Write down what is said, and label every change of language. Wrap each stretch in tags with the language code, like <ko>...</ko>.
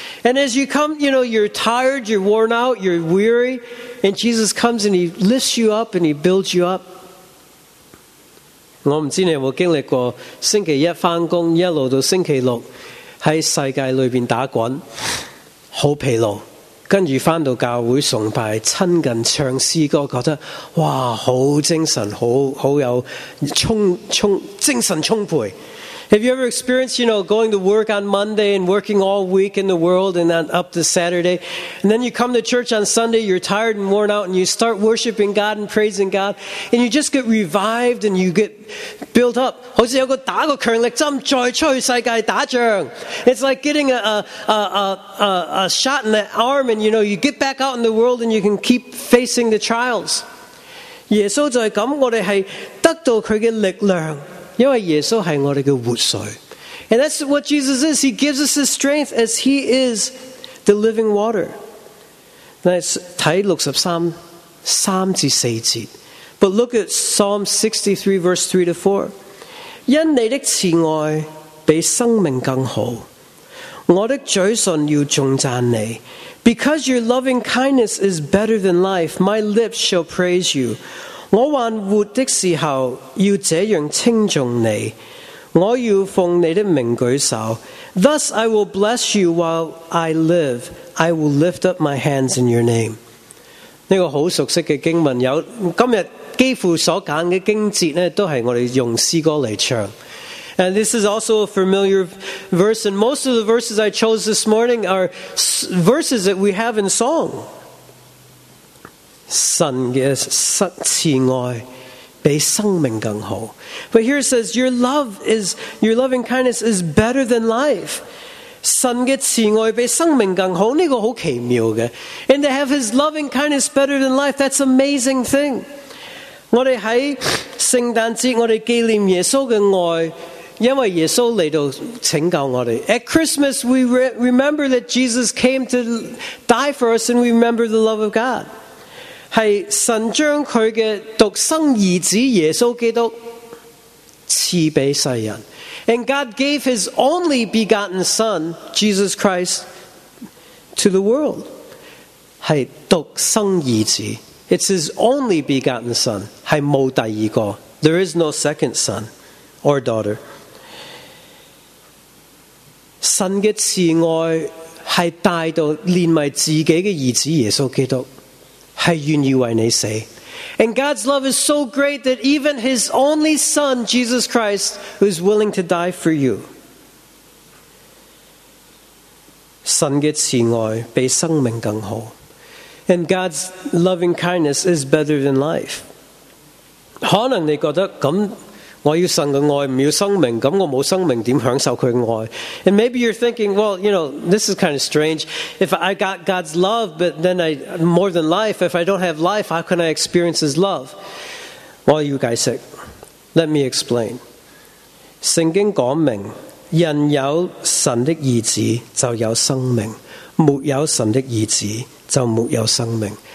<en>And as you come, you know, you're tired, you're worn out, you're weary, and Jesus comes and He lifts you up and He builds you up.</en> <zh>我不知道你有没有经历过星期一上班一直到星期六在世界里面打滚很疲劳，跟着回到教会崇拜亲近唱诗歌，觉得哇好精神，好有精神充沛。</zh> <en>Have you ever experienced, you know, going to work on Monday and working all week in the world and then up to Saturday? And then you come to church on Sunday, you're tired and worn out, and you start worshiping God and praising God, and you just get revived and you get built up.</en> <zh>好像有个打个强力针再出去世界打仗。</zh> <en>It's like getting a shot in the arm, and you know, you get back out in the world and you can keep facing the trials.</en> <zh>耶稣就是这样，我们是得到他的力量。因为耶稣是我们的活水。</zh> <en>And that's what Jesus is. He gives us his strength as he is the living water.</en> <zh>看63:3-4.</zh> <en>But look at Psalm 63:3-4.</en> <zh>因你的慈爱比生命更好，我的嘴唇要颂赞你。</zh> <en>Because your loving kindness is better than life, my lips shall praise you.</en> <zh>我患活的时候要这样称颂你，我要奉你的名举手。</zh> <en>Thus I will bless you while I live. I will lift up my hands in your name.</en> <zh>这个很熟悉的经文，有今天几乎所拣的经节都是我们用诗歌来唱。</zh> <en>And this is also a familiar verse, and most of the verses I chose this morning are verses that we have in song.</en> <zh>God's 比生命更好。</zh> <en>But here it says, your loving kindness is better than life.</en> <zh>神的慈爱比生命更好，这个很奇妙的。</zh> <en>And to have his loving kindness better than life, that's an amazing thing.</en> <zh>我们在圣诞节，我们纪念耶稣的爱，因为耶稣来到拯救我们。</zh> <en>At Christmas, we remember that Jesus came to die for us and we remember the love of God.</en> <zh>是神将他的独生儿子耶稣基督赐给世人。</zh> <en>And God gave his only begotten son, Jesus Christ, to the world.</en> <zh>是独生儿子。</zh> <en>It's his only begotten son.</en> <zh>是没有第二个。</zh> <en>There is no second son or daughter.</en> <zh>神的慈爱是带到连埋自己的儿子耶稣基督。是愿意为你死。</zh> <en>And God's love is so great that even his only son, Jesus Christ, is willing to die for you.</en> <zh>神的慈爱比生命更好。</zh> <en>And God's loving kindness is better than life.</en> <zh>可能你觉得，咁我要神的爱，不要生命，咁我没生命，怎享受他的爱？</zh> <en>And maybe you're thinking, well, you know, this is kind of strange. If I got God's love, but then I, more than life, if I don't have life, how can I experience his love? Well, you guys say, let me explain.</en> <zh>圣经说明，人有神的意志就有生命，没有神的意志就没有生命。</zh>